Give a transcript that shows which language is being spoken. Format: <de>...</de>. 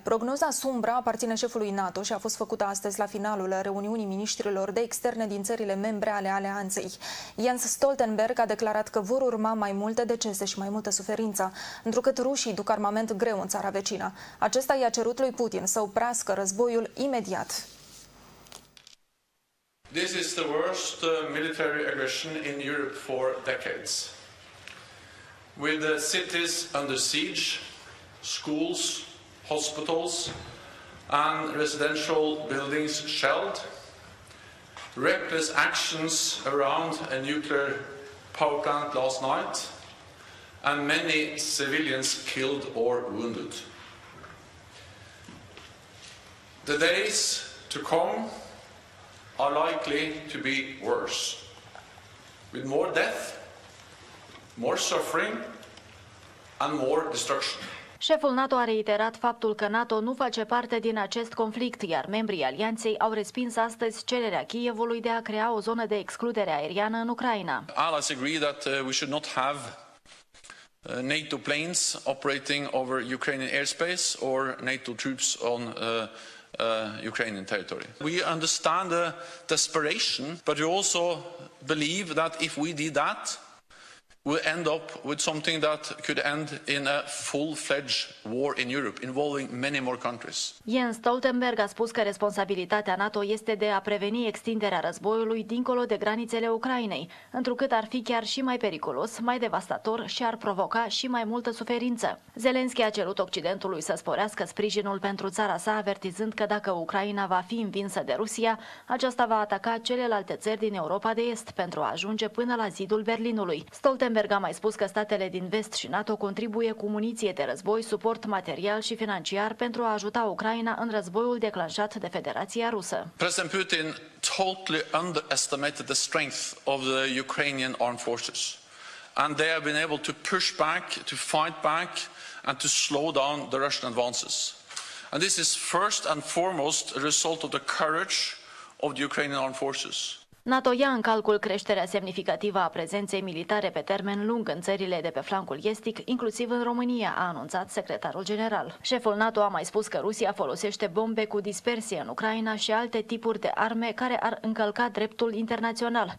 <ro>Prognoza sumbră aparține șefului NATO și a fost făcută astăzi la finalul reuniunii miniștrilor de externe din țările membre ale alianței. Jens Stoltenberg a declarat că vor urma mai multe decese și mai multă suferință, întrucât rușii duc armament greu în țara vecină. Acesta i-a cerut lui Putin să oprească războiul imediat.</ro> <en>This is the worst military aggression in Europe for decades. With the cities under siege, schools, hospitals, and residential buildings shelled, reckless actions around a nuclear power plant last night, and many civilians killed or wounded. The days to come are likely to be worse, with more death, more suffering, and more destruction.</en> <ro>Șeful NATO a reiterat faptul că NATO nu face parte din acest conflict, iar membrii alianței au respins astăzi cererea Kievului de a crea o zonă de excludere aeriană în Ucraina.</ro> <en>Allies agree that we should not have NATO planes operating over Ukrainian airspace or NATO troops on Ukrainian territory. We understand the desperation, but we also believe that if we did that, we end up with something that could end in a full-fledged war in Europe, involving many more countries.</en> <ro>Jens Stoltenberg a spus că responsabilitatea NATO este de a preveni extinderea războiului dincolo de granițele Ucrainei, întrucât ar fi chiar și mai periculos, mai devastator și ar provoca și mai multă suferință. Zelenski a cerut Occidentului să sporească sprijinul pentru țara sa, avertizând că dacă Ucraina va fi învinsă de Rusia, aceasta va ataca celelalte țări din Europa de Est pentru a ajunge până la zidul Berlinului. Stoltenberg a mai spus că statele din vest și NATO contribuie cu muniție de război, suport material și financiar pentru a ajuta Ucraina în războiul declanșat de Federația Rusă.</ro> <en>President Putin totally underestimated the strength of the Ukrainian armed forces, and they have been able to push back, to fight back, and to slow down the Russian advances. And this is first and foremost a result of the courage of the Ukrainian armed forces.</en> <ro>NATO ia în calcul creșterea semnificativă a prezenței militare pe termen lung în țările de pe flancul estic, inclusiv în România, a anunțat secretarul general. Șeful NATO a mai spus că Rusia folosește bombe cu dispersie în Ucraina și alte tipuri de arme care ar încălca dreptul internațional.</ro>